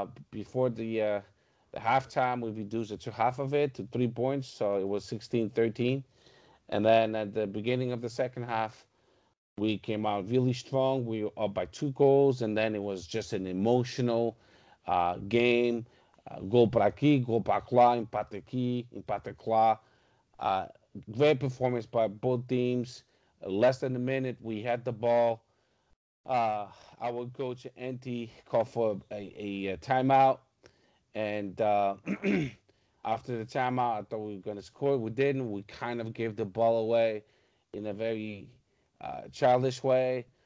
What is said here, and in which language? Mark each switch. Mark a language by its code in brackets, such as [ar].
[en] Before the halftime, we reduced it to half of it, to 3 points. So it was 16-13. And then at the beginning of the second half, we came out really strong. We were up by 2 goals, and then it was just an emotional game. [pt] Gol para aqui, gol para lá, empate aqui, empate lá. [en] Great performance by both teams. Less than a minute, we had the ball. Our coach, Antti, called for a timeout. And... after the timeout, I thought we were going to score. We didn't. We kind of gave the ball away in a very childish way.